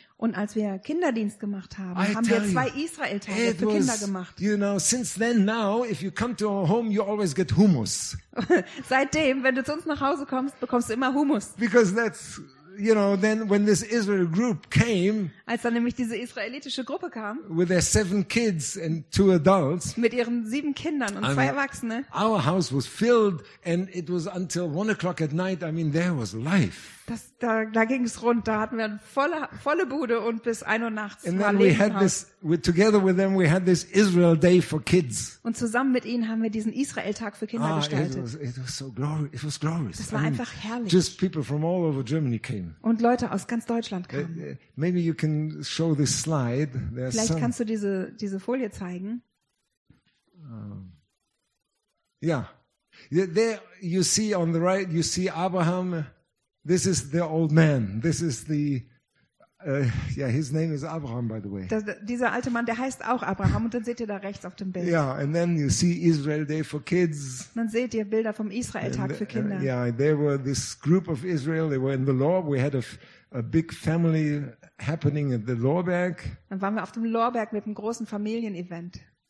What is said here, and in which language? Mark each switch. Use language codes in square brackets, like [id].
[de] Und als wir Kinderdienst gemacht haben, haben wir 2 Israel-Tage für Kinder gemacht. [en] You know, since then now, if you come to our home, you always get hummus. [de] Seitdem, wenn du zu uns nach Hause kommst, bekommst du immer Hummus. [en] Because that's, you know, then when this Israel group came, [de] als dann nämlich diese israelitische Gruppe kam, [en] with their 7 kids and 2 adults, [de] mit ihren 7 Kindern und 2 Erwachsene, [en] our house was filled, and it was until 1 o'clock at night. I mean, there was life. [de] Da ging es rund. Da hatten wir eine volle Bude und bis 1 Uhr nachts. [en] And then we had this, together with them, we had this Israel day for kids. [de] Und zusammen mit ihnen haben wir diesen Israel-Tag für Kinder gestaltet. [en] It was so glorious. It was glorious. [de] Das war einfach herrlich. [en] Just people from all over Germany came. [de] Und Leute aus ganz Deutschland kamen. [en] Maybe you can show this slide. [de] Vielleicht kannst du diese Folie zeigen. [en] Yeah. There you see on the right, you see Abraham. This is the old man. This is the his name is Abraham, by the way. [de] Dieser alte Mann, der heißt auch Abraham. Und dann seht ihr da rechts auf dem Bild. [en] Yeah, and then you see Israel Day for Kids. [de] Dann seht ihr Bilder vom Israel-Tag für Kinder. [en] Yeah, there were this group of Israel. They were in the Lorb. We had a big family happening at the Lorberg. [de] Dann waren wir auf dem Lorberg mit einem großen Familienevent.